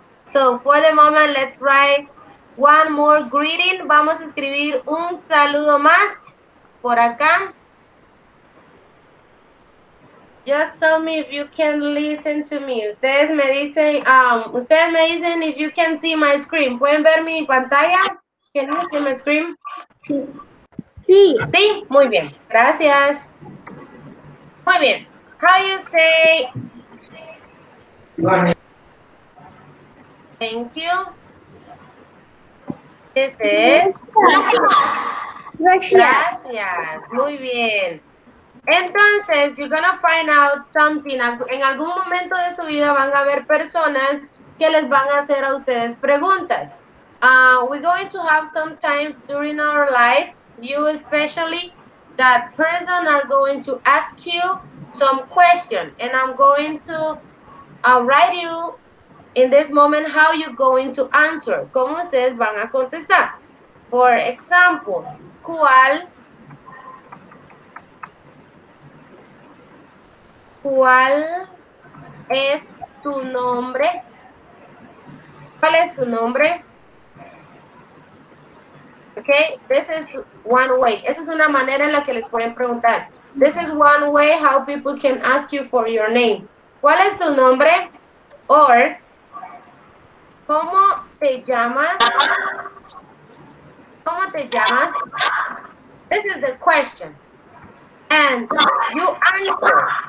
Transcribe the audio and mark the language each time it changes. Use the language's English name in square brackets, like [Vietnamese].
[English] So, for the moment, let's write one more greeting. [Spanish] Vamos a escribir un saludo más por acá. [English] Just tell me if you can listen to me. [Spanish] Ustedes me dicen, [English] if you can see my screen. [Spanish] ¿Pueden ver mi pantalla? [English] ¿Can you see my screen? [Spanish] Sí. Sí, muy bien. Gracias. Muy bien. [English] How you say? Thank you. This is. [Spanish] Gracias. Gracias. Muy bien. Entonces, [English] you're gonna find out something. [Spanish] En algún momento de su vida van a haber personas que les van a hacer a ustedes preguntas. [English] We're going to have some time during our life, you especially, that person are going to ask you some question, and I'm going to write you in this moment how you're going to answer. [Spanish] ¿Cómo ustedes van a contestar? [English] For example, [Spanish] ¿cuál es tu nombre? ¿Cuál es tu nombre? [English] Okay, this is one way. [Spanish] Esa es una manera en la que les pueden preguntar. [English] This is one way how people can ask you for your name. [Spanish] ¿Cuál es tu nombre? Or, ¿cómo te llamas? ¿Cómo te llamas? [English] This is the question. And you answer.